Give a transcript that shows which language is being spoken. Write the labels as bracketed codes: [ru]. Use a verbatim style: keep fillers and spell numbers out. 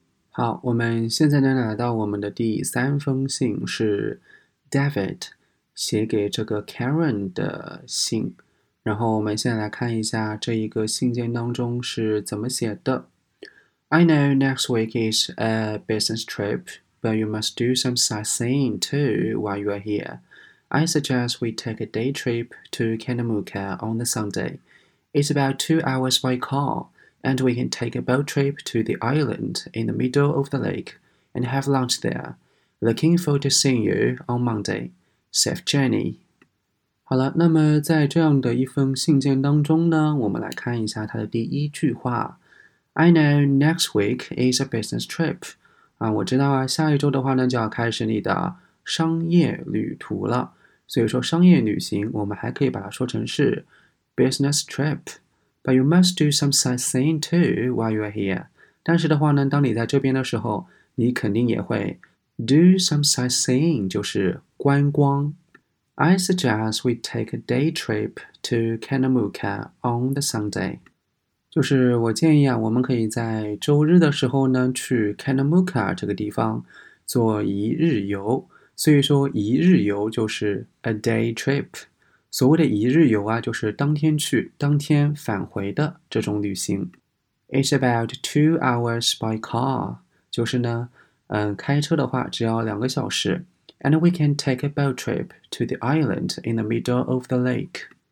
[zh] 好，我们现在呢来到我们的第三封信，是 David 写给这个 Karen 的信。然后我们先来看一下这一个信件当中是怎么写的。 [en] I know next week is a business trip, but you must do some sightseeing too while you are here. I suggest we take a day trip to Kanamuka on the Sunday. It's about two hours by car, and we can take a boat trip to the island in the middle of the lake and have lunch there. Looking forward to seeing you on Monday. Safe journey. [zh] 好了，那么在这样的一封信件当中呢，我们来看一下它的第一句话。 [en] I know next week is a business trip. [zh] 啊，我知道啊，下一周的话呢就要开始你的商业旅途了。所以说商业旅行，我们还可以把它说成是 [en] business trip. But you must do some sightseeing too while you are here. [zh] 但是的话呢，当你在这边的时候，你肯定也会 [en] do some sightseeing， [zh] 就是观光。 [en] I suggest we take a day trip to Kanamuka on the Sunday. [zh] 就是我建议啊，我们可以在周日的时候呢，去 Kanamuka 这个地方做一日游。所以说一日游就是 [en] a day trip。 [zh] 所谓的一日游啊，就是当天去，当天返回的这种旅行。 [en] It's about two hours by car。 [zh] 就是呢，嗯，开车的话只要两个小时。 [en] And we can take a boat trip to the island in the middle of the lake.